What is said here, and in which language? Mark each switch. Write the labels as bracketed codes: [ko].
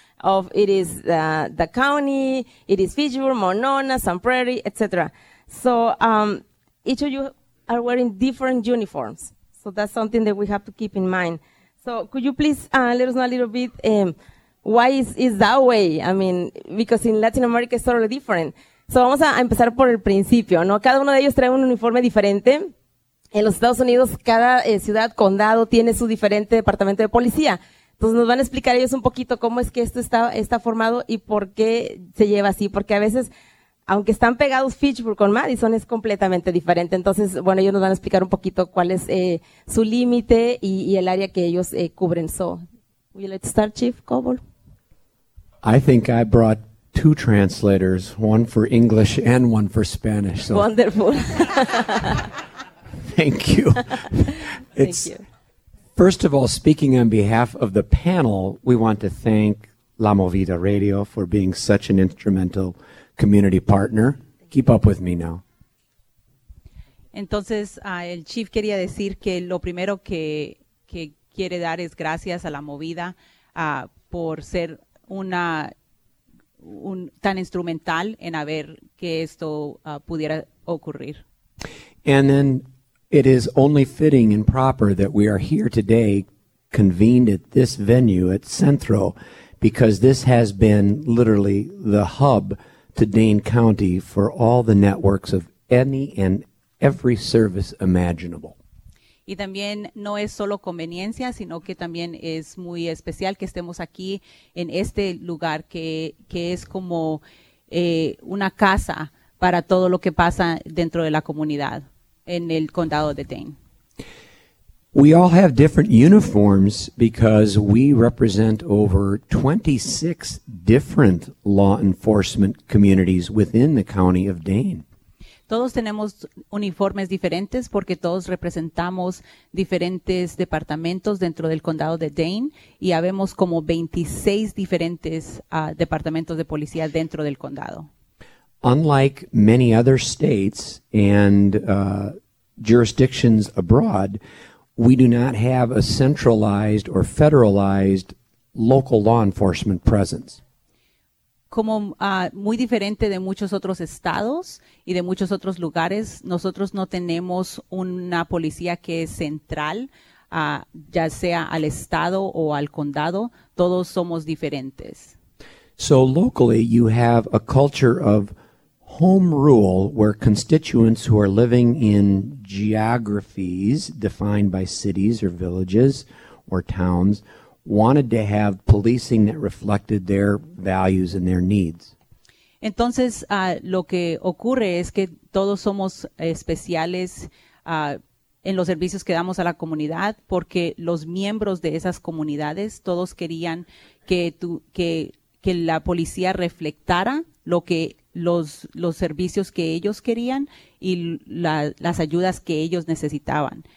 [en] Of it is the county, it is Fitchburg, Monona, Sun Prairie, etc. So each of you are wearing different uniforms. So that's something that we have to keep in mind. So could you please let us know a little bit why is that way? I mean, because in Latin America it's totally different. [es] So vamos a empezar por el principio, ¿no? Cada uno de ellos trae un uniforme diferente. En los Estados Unidos, cada ciudad, condado tiene su diferente departamento de policía. Entonces nos van a explicar ellos un poquito cómo es que esto está formado y por qué se lleva así. Porque a veces, aunque están pegados Fitchburg con Madison, es completamente diferente. Entonces, bueno, ellos nos van a explicar un poquito cuál es su límite y el área que ellos cubren. [en] So, will you let's start, Chief Cobol? I think I brought two translators, one for English and one for Spanish. So. Wonderful. Thank you. First of all, speaking on behalf of the panel, we want to thank La Movida Radio for being such an instrumental community partner. Keep up with me now. [es] Entonces, el chief quería decir que lo primero que quiere dar es gracias a La Movida por ser un tan instrumental en haber que esto pudiera ocurrir. [en] And then it is only fitting and proper that we are here today convened at this venue at Centro because this has been literally the hub to Dane County for all the networks of any and every service imaginable. [es] Y también no es solo conveniencia, sino que también es muy especial que estemos aquí en este lugar que es como una casa para todo lo que pasa dentro de la comunidad. En el condado de Dane. [en] We all have different uniforms because we represent over 26 different law enforcement communities within the county of Dane. [es] Todos tenemos uniformes diferentes porque todos representamos diferentes departamentos dentro del condado de Dane y habemos como 26 diferentes departamentos de policía dentro del condado. [en] Unlike many other states and jurisdictions abroad, we do not have a centralized or federalized local law enforcement presence. [es] Como muy diferente de muchos otros estados y de muchos otros lugares, nosotros no tenemos una policía que es central, ya sea al estado o al condado, todos somos diferentes. [en] So locally, you have a culture of home rule, where constituents who are living in geographies defined by cities or villages or towns wanted to have policing that reflected their values and their needs. [es] Entonces, lo que ocurre es que todos somos especiales en los servicios que damos a la comunidad porque los miembros de esas comunidades todos querían que la policía reflectara lo que los servicios que ellos querían y las ayudas que ellos necesitaban.